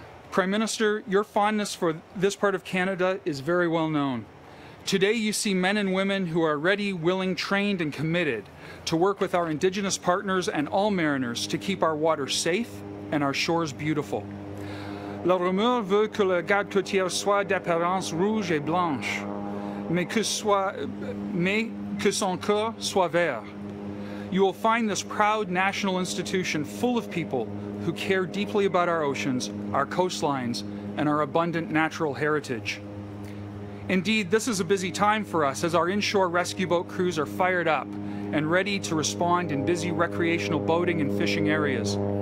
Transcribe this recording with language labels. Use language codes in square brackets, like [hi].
[en] Prime Minister, your fondness for this part of Canada is very well known. Today you see men and women who are ready, willing, trained and committed to work with our Indigenous partners and all mariners to keep our waters safe and our shores beautiful. [fr] La rumeur veut que la garde côtière soit d'apparence rouge et blanche, mais que son cœur soit vert. [en] You will find this proud national institution full of people who care deeply about our oceans, our coastlines, and our abundant natural heritage. Indeed, this is a busy time for us as our inshore rescue boat crews are fired up and ready to respond in busy recreational boating and fishing areas.